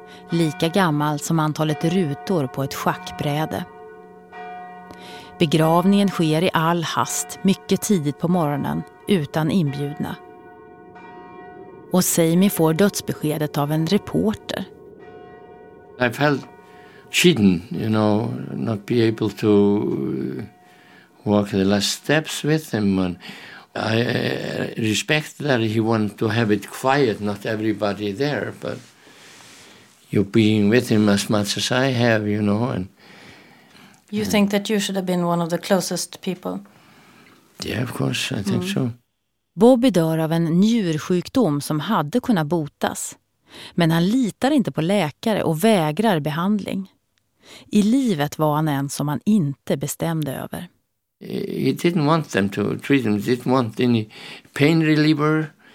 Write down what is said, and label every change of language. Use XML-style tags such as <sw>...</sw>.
<sv>Lika gammal som antalet rutor på ett schackbräde. Begravningen sker i all hast, mycket tidigt på morgonen, utan inbjudna. Och Sammy får dödsbeskedet av en reporter.</sv> <en>I felt cheating, you know, not be able to walk the last steps with him. And I respect that he wanted to have it quiet, not everybody there, but you being with him as much as I have, you know, and you think that you should have been one of the closest people? Yeah, of course, I think so.</en> <sv>Bobby dör av en njursjukdom som hade kunnat botas. Men han litar inte på läkare och vägrar behandling. I livet var han en som han inte bestämde över.</sv> <en>He didn't want them to treat him. He didn't want any pain reliever.</en>